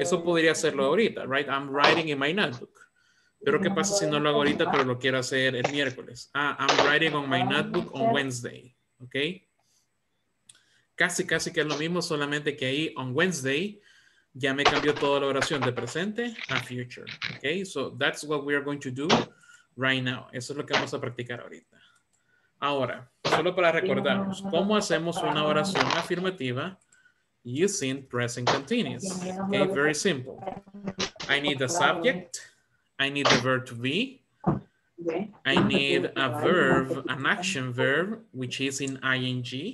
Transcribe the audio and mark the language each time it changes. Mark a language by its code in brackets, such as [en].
[es] Eso podría hacerlo ahorita, right? [en] I'm writing in my notebook. [es] Pero ¿qué pasa si no lo hago ahorita, pero lo quiero hacer el miércoles? [en] I'm writing on my notebook on Wednesday, [es] ¿ok? Casi, casi que es lo mismo, solamente que ahí [en] on Wednesday [es] ya me cambió toda la oración de presente a future, ¿ok? [en] So that's what we are going to do right now. [es] Eso es lo que vamos a practicar ahorita. Ahora, solo para recordarnos, ¿cómo hacemos una oración afirmativa [en] using present continuous. Okay, very simple. I need a subject. I need the verb to be. I need a verb, an action verb, which is in ing.